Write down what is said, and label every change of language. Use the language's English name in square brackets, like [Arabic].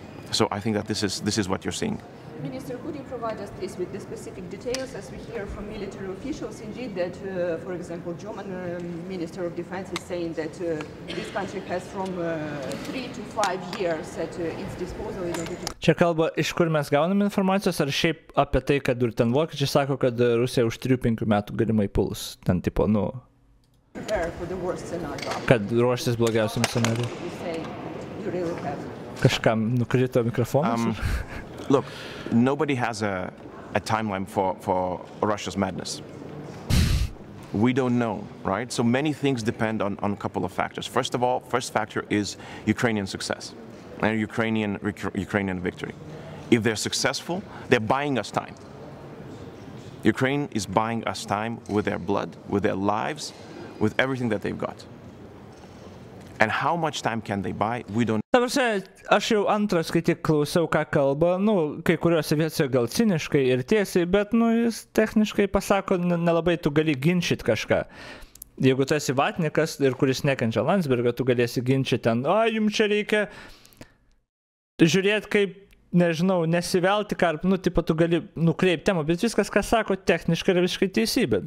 [English] So I think that this is what you're seeing. Minister, could you provide us, please, with the specific details, as we hear from military officials, indeed, that, for example, German Minister of Defense is saying that this country has from 3 to 5 years at its disposal in order to... [Lithuanian] Čia kalba, iš kur mes gaunam informacijos, ar šiaip apie tai, kad ir ten vokiečiai sako, kad Rusija už 3-5 metų galimai puls, ten tipo, nu... [English] Prepare for the worst scenario. [Lithuanian] Kad ruoštis blogiausiam scenariu. [English] You really have... [Lithuanian] Kažkam nukrito mikrofonas? [English] Look, nobody has a timeline for Russia's madness. We don't know, right? So many things depend on a couple of factors. First of all, first factor is Ukrainian success and Ukrainian victory. If they're successful, they're buying us time. Ukraine is buying us time with their blood, with their lives, with everything that they've got. And how much time can they buy? We don't. [Lithuanian] Ta prasme, aš jau antras, kai tik klausiau, ką kalba, nu, kai kuriuose vietose gal ciniškai ir tiesiai, bet, nu, jis techniškai pasako, nelabai tu gali ginčyti kažką. Jeigu tu esi vatnikas ir kuris nekenčia Landsbergą, tu galėsi ginčyti ten, o, jums čia reikia žiūrėti, kaip, nežinau, nesivelti, ką, nu, tipo, tu gali nukreipti temą, bet viskas, ką sako, techniškai yra visiškai teisybė.